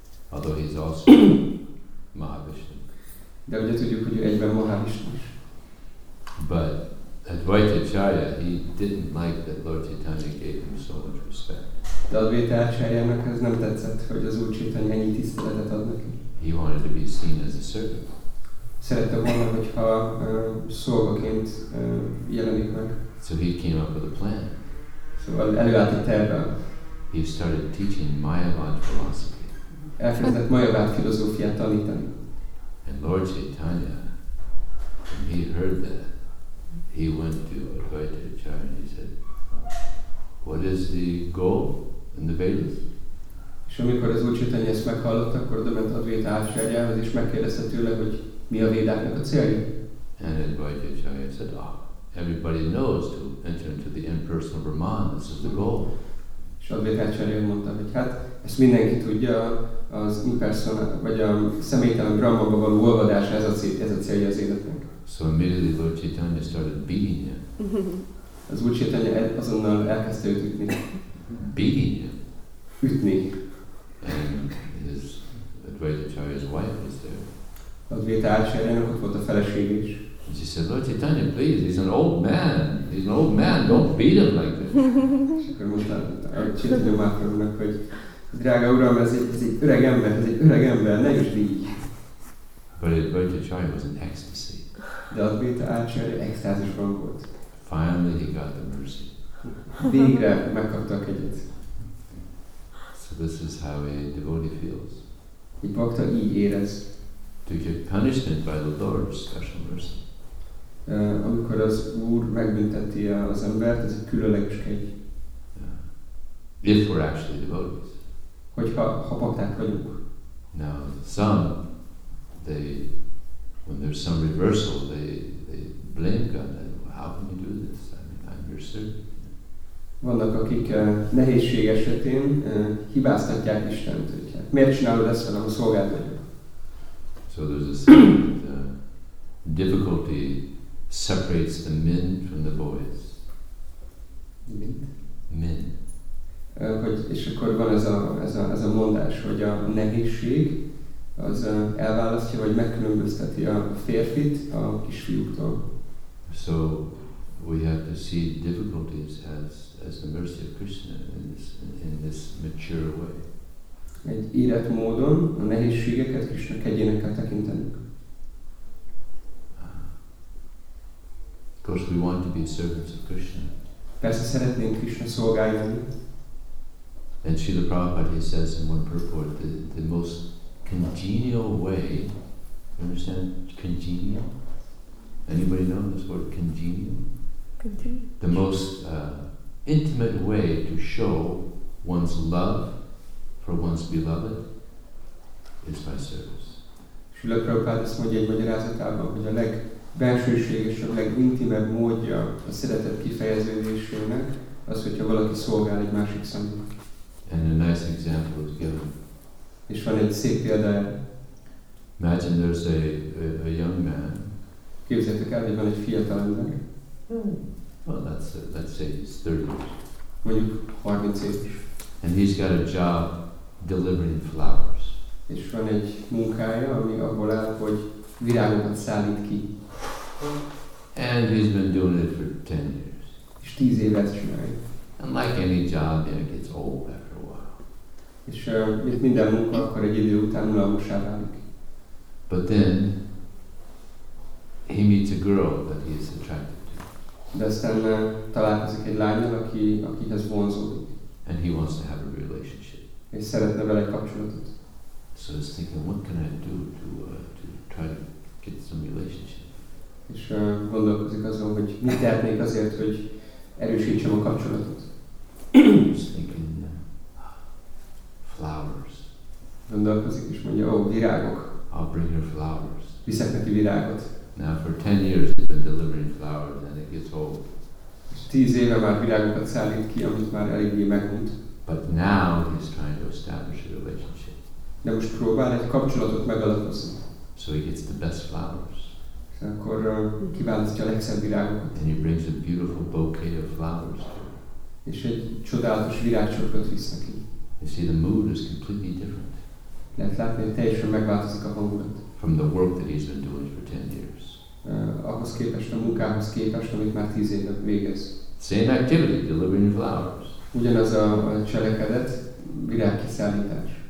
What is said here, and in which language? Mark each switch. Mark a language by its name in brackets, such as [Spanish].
[English] Although he's also Mahavishnu. [Hungarian] De ugye tudjuk, hogy ő egyben Mahavishnu is. [English] But Advaita Acharya, he didn't like that Lord Chaitanya gave him so much respect. [Hungarian] De Advaita Acharyának ez nem tetszett, hogy az Úr Chaitanya ennyi tiszteletet ad neki. [English] He wanted to be seen as a servant. [Hungarian] Szerette volna, hogyha szolgaként jelenik meg. [English] So he came up with a plan. [Hungarian] Szóval előállt a tervvel. [English] He started teaching Mayavad philosophy. [Hungarian] Elkezdett Mayavad filozófiát tanítani. [English] And Lord Chaitanya, when he heard that, he went to Advaita Acharya and he said, "What is the goal in the Vedas?" [Hungarian] És amikor az Úr Chaitanya ezt meghallotta, akkor odament Advaita Acharyához és megkérdezte tőle, hogy mi a védáknak a célja. [English] And Advaita Acharya said, "Everybody knows to enter into the impersonal Brahman. This is the goal." [Hungarian] És Advaita Acharya mondta, hogy hát ezt mindenki tudja, az impersonal vagy a személytelen Brahmanba való olvadás ez a célja az életnek. [English] So immediately Lord Chaitanya started beating him. [Hungarian] Az Úr Chaitanya azonnal elkezdte őt ütni. [English] Beating him. [Hungarian] Ütni. [English] And his Advaita Acharya's wife was there. [Hungarian] Advaita Acharyának ott volt a felesége is. [English] And she said, "Lord Chaitanya, please, he's an old man, don't beat him like this." [Hungarian] És akkor mondta a Chaitanya Mahaprabhunak, hogy drága uram, ez egy öreg ember, ne is bígy. [English] But Advaita Acharya was in ecstasy. [Hungarian] De Advaita Acharya extázis volt. [English] Finally he got the mercy. [Hungarian] Végre megkapta a kegyet. [English] So this is how a devotee feels. [Hungarian] Egy bhakta így érez. [English] To get punishment by the Lord, special mercy. [Hungarian] Amikor az Úr megbünteti az embert, ez egy különleges kegy. [English] Yeah. If we're actually devotees. [Hungarian] Hogyha bhakták vagyunk. [English] Now some, when there's some reversal, they blame God. How can you do this? I mean, I'm your servant. [Hungarian] Vannak, akik nehézség esetén hibáztatják Istent, hogy hát miért csinálod ezt velem, a szolgád vagyok. [English] So there's a saying that difficulty separates the men from the boys. Men. [Hungarian] Hogy, és akkor van ez a mondás, hogy a nehézség az elválasztja, vagy megkülönbözteti a férfit a kisfiúktól. [English] So we have to see difficulties as the mercy of Krishna in this mature way. [Hungarian] Egy érett módon a nehézségeket Krishna kegyének kell tekintenünk. [English] Go course we want to be servants of Krishna. [Hungarian] Persze szeretnénk Krishna szolgálni. [English] And Srila Prabhupada, he says in one purport, the most congenial way, you understand congenial? Anybody know this word congenial? Congenial. The most intimate way to show one's love for one's beloved is by service. [Hungarian] Srila Prabhupada azt mondja egy magyarázatában, hogy a legbensőségesebb, legintimebb módja a szeretet kifejeződésének az, hogyha valaki szolgál egy másik szemben. [English] And a nice example is given. [Hungarian] És van egy szép példa. [English] Imagine there's a young man. [Hungarian] Képzeljétek el, hogy van egy fiatal ember. [English] Well, let's say he's 30. [Hungarian] Mondjuk 30 éves. [English] And he's got a job delivering flowers. [Hungarian] És van egy munkája, ami abból áll, hogy virágokat szállít ki. [English] And he's been doing it for 10 years. [Hungarian] És 10 éve ezt csinálja. [English] And like any job, it gets old after a while. [Hungarian] És mint minden munka, akkor egy idő után unalmassá válik. [English] But then he meets a girl that he is attracted to. [Hungarian] De aztán találkozik egy lányal, akihez vonzódik. [English] And he wants to have a relationship. [Hungarian] És szeretne vele egy kapcsolatot. [English] So he's thinking, what can I do to try to get some relationship? [Hungarian] És gondolkozik azon, hogy mit tehetnék azért, hogy erősítsem a kapcsolatot. [English] He's thinking, flowers. [Hungarian] Gondolkozik és mondja, oh, virágok. [English] I'll bring her flowers. [Hungarian] Viszek neki virágot. [English] Now for 10 years he's been delivering flowers and it gets old. [Hungarian] 10 éve már virágokat szállít ki, amit már eléggé megmond. [English] But now he's trying to establish a relationship. [Hungarian] De most próbál egy kapcsolatot megalapozni. [English] So he gets the best flowers. [Hungarian] És akkor kiválasztja a legszebb virágokat. [English] And he brings a beautiful bouquet of flowers to her. [Hungarian] És egy csodálatos virágcsokrot visz neki. [English] You see, the mood is completely different. [Hungarian] Lehet látni, hogy teljesen megváltozik a hangulat. [English] From the work that he's been doing for 10 years. [Hungarian] Ahhoz képest, a munkához képest, amit már 10 éve végez. [English] Same activity, delivering flowers. [Hungarian] Ugyanaz a cselekedet, virágkiszállítás.